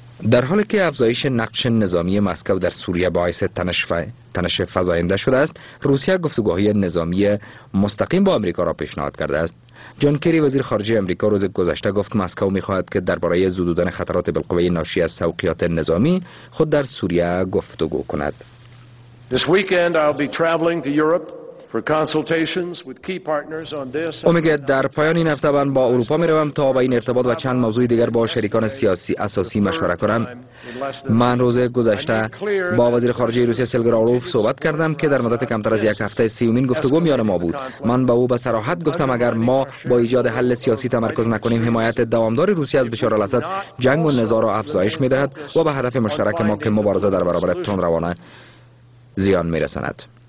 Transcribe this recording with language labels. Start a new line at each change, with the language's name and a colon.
Persian: در حالی که افزایش نقش نظامی مسکو در سوریه باعث تنش فزاینده شده است، روسیه گفتگوهای نظامی مستقیم با آمریکا را پیشنهاد کرده است. جان کری وزیر خارجه آمریکا روز گذشته گفت مسکو میخواهد که درباره زدودن خطرات بالقوه ناشی از سوقیات نظامی خود در سوریه گفتگو کند.
English: This weekend I'll be traveling to Europe for consultations with key partners on this.
Persian: اومگه در پایان این هفته با اروپا میروم تا با این ارتباط و چند موضوع دیگر با شریکان سیاسی اساسی مشوره کنم. من روز گذشته با وزیر خارجه روسیه سلگراروف صحبت کردم که در مدت کمتر از یک هفته 30 گفتگو میان ما بود. من با او به صراحت گفتم اگر ما با ایجاد حل سیاسی تمرکز نکنیم، حمایت دوامدار روسیه از بشار الاسد جنگ و نزاع را افزایش میدهد و به هدف مشترک ما که مبارزه در برابر تندروانه زیان میرساند.